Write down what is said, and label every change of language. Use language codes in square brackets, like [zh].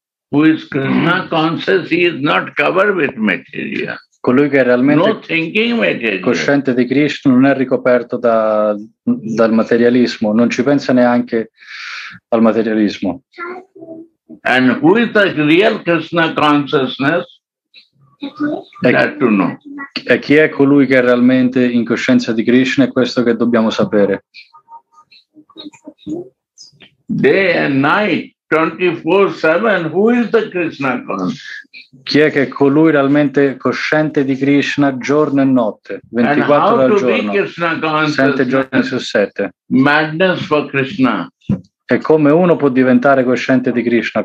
[en] Who is Krishna conscious, he is not covered with material. [it] Colui che è realmente [en] no thinking material. [it] Cosciente di Krishna non è ricoperto dal materialismo, non ci pensa neanche al materialismo. [en] And who is the real Krishna consciousness? [it] E chi è colui che è realmente in coscienza di Krishna? È questo che dobbiamo sapere. [en] Day and night, 24/7, who is the Krishna consciousness? [it] Chi è che è colui realmente cosciente di Krishna giorno e notte, 24 ore al giorno, 7 giorni su 7? [en] Madness for Krishna. [it] E come uno può diventare cosciente di Krishna?